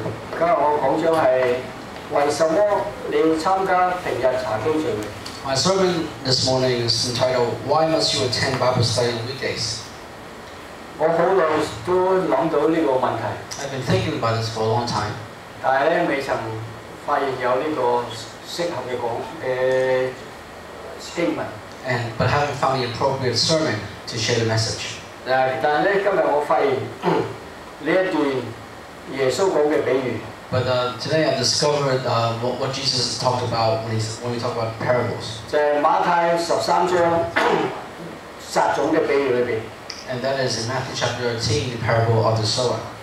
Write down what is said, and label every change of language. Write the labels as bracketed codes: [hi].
[zh] 今天我講了是為什麼你要參加平日查經聚會。 [en] My sermon this morning is entitled, Why Must You Attend Bible Study on Weekdays? [zh] 我很久都想到這個問題。 [en] I've been thinking about this for a long time. [zh] 但是未曾發現有這個適合的經文。 [en] But haven't found the appropriate sermon to share the message. [zh] 但是今天我發現這一段耶穌講的比喻。 [en] But today I've discovered what Jesus talked about when we talk about parables. [zh] 在馬太13章撒種的比喻裡面。 [en] And that is in Matthew chapter 18, the parable of the sower.